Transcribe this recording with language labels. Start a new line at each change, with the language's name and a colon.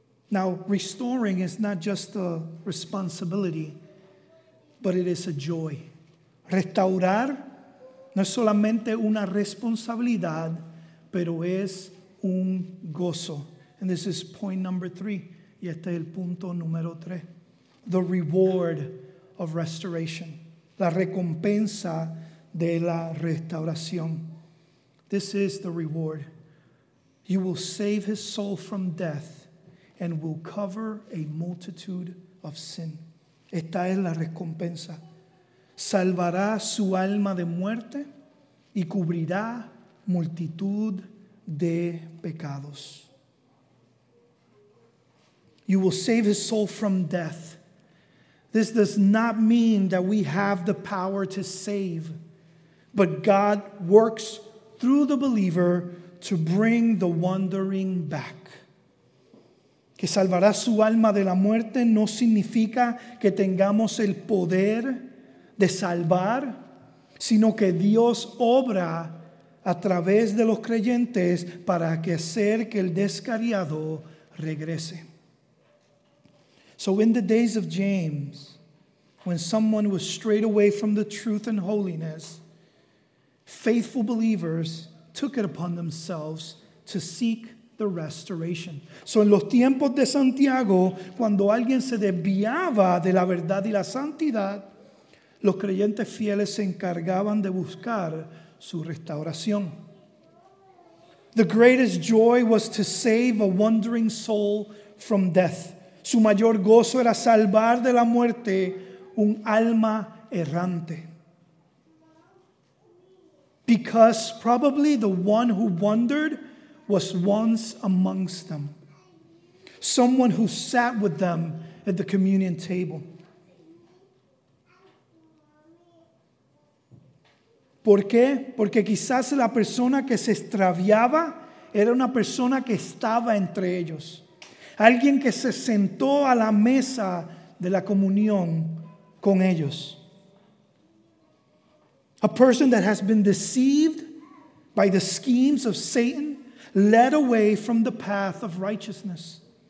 English: Now, restoring is not just a responsibility, but it is a joy.
Spanish: Restaurar no es solamente una responsabilidad, pero es un gozo.
English: And this is point number three.
Spanish: Y este es el punto número tres.
English: The reward of restoration.
Spanish: La recompensa de la restauración.
English: This is the reward. You will save his soul from death and will cover a multitude of sin.
Spanish: Esta es la recompensa. Salvará su alma de muerte y cubrirá multitud de pecados.
English: You will save his soul from death. This does not mean that we have the power to save, but God works through the believer to bring the wandering back.
Spanish: Que salvará su alma de la muerte no significa que tengamos el poder de salvar, sino que Dios obra a través de los creyentes para hacer que el descarriado regrese.
English: So in the days of James, when someone was strayed away from the truth and holiness, faithful believers took it upon themselves to seek the restoration.
Spanish: So en los tiempos de Santiago, cuando alguien se desviaba de la verdad y la santidad, los creyentes fieles se encargaban de buscar su restauración.
English: The greatest joy was to save a wandering soul from death.
Spanish: Su mayor gozo era salvar de la muerte un alma errante.
English: Because probably the one who wandered was once amongst them. Someone who sat with them at the communion table.
Spanish: ¿Por qué? Porque quizás la persona que se extraviaba era una persona que estaba entre ellos. Alguien que se sentó a la mesa de la comunión con ellos.
English: A person that has been deceived by the schemes of Satan, led away from the path of righteousness.